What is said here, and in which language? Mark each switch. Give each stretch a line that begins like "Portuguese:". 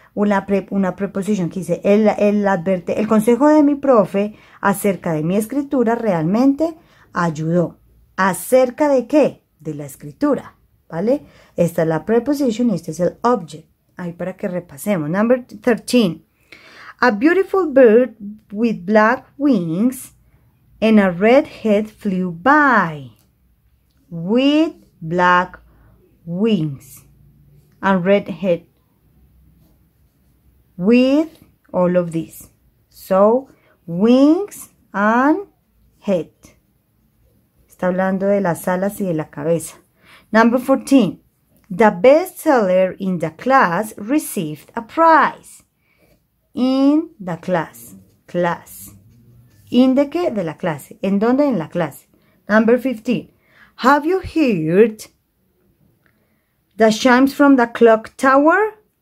Spanish: Una preposición que dice, el consejo de mi profe acerca de mi escritura realmente ayudó. ¿Acerca de qué? De la escritura, ¿vale? Esta es la preposición y este es el object. Ahí para que repasemos.
English: Number 13. A beautiful bird with black wings and a red head flew by. With black wings and red head. with all of these. So, wings and head.
Spanish: Está hablando de las alas y de la cabeza.
English: Number 14. The best seller in the class received a prize. In the class. Class.
Spanish: ¿In de qué? De la clase. ¿En dónde? En la clase.
English: Number 15. Have you heard the chimes from the clock tower?